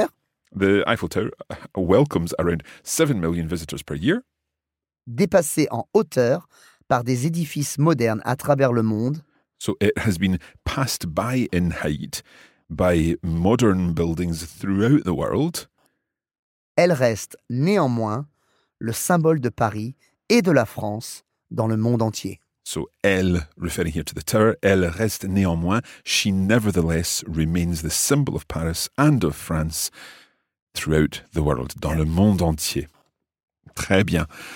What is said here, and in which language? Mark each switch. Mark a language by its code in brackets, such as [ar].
[en] So, the Eiffel Tower welcomes around 7 million visitors per year. [fr] Dépassé en hauteur par des édifices modernes à travers le monde. [en] So it has been passed by in height by modern buildings throughout the world. [fr] Elle reste néanmoins le symbole de Paris et de la France dans le monde entier. [en] So elle, referring here to the tower, [fr] elle reste néanmoins, [en] she nevertheless remains the symbol of Paris and of France throughout the world, [fr] dans le monde entier. Très bien.